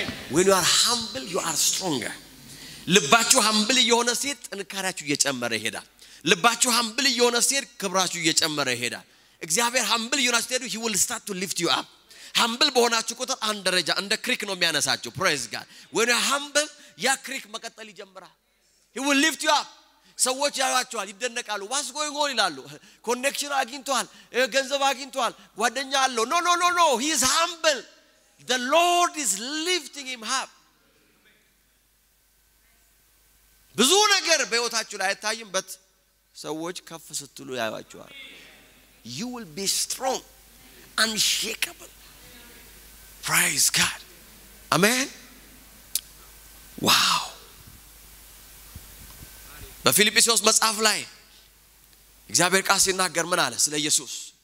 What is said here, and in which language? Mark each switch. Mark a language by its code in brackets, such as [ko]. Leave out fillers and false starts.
[en] When you are humble, you are stronger. [am] ልባችሁ humble የሆነ ሴት ጠንካራችሁ እየጨመረ ይሄዳል። ልባችሁ humble የሆነ ሴት ክብራችሁ እየጨመረ ይሄዳል። እግዚአብሔር humble የሆነ ሴት [en] he will start to lift you up. [am] humble በሆናችሁ ቁጥር አንድ ደረጃ እንደ creek ነው የሚያነሳችሁ. [en] Praise God. When you are humble, [am] ያ creek መቀጠል ይጀምራል. [en] he will lift you up. [am] ሰዎች ያያችኋል ይደነቃሉ [en] what's going on ይላሉ connection [am] አግኝቷል ገንዘብ አግኝቷል ጓደኛ አለው [en] no no no no he is humble the lord is lifting him up [am] ብዙ ነገር በህይወታችሁ ላይ አይታይም but ሰዎች ከፍ ስትሉ ያያችኋል [en] you will be strong unshakable praise god amen wow [am] በፊልጵስዩስ መጽሐፍ ላይ እግዚአብሔር ቃል ሲናገር ምን አለ ስለ ኢየሱስ